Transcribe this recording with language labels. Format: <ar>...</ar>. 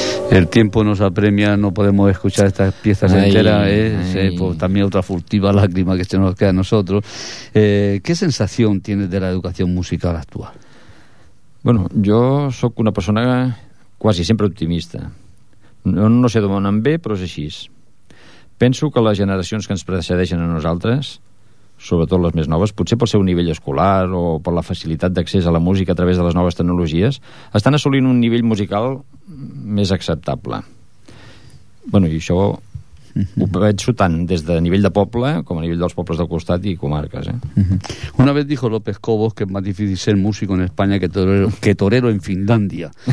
<es>El tiempo nos apremia, no podemos escuchar estas piezas enteras. Pues, también otra furtiva lágrima que se nos queda a nosotros. ¿Qué sensación tienes de la educación musical actual?</es> <ca>Bueno, yo soc una persona quasi sempre optimista. No sé d'on em ve, però és així. Penso que les generacions que ens precedeixen a nosaltres, sobretot les més noves, potser pel seu nivell escolar o per la facilitat d'accés a la música a través de les noves tecnologies, estan assolint un nivell musical més acceptable. Bueno, i això ho penso tant des de nivell de poble com a nivell dels pobles del costat i comarques.</ca> <es>Una vez dijo López Cobos que es más difícil ser músico en España que torero en Finlandia.</es>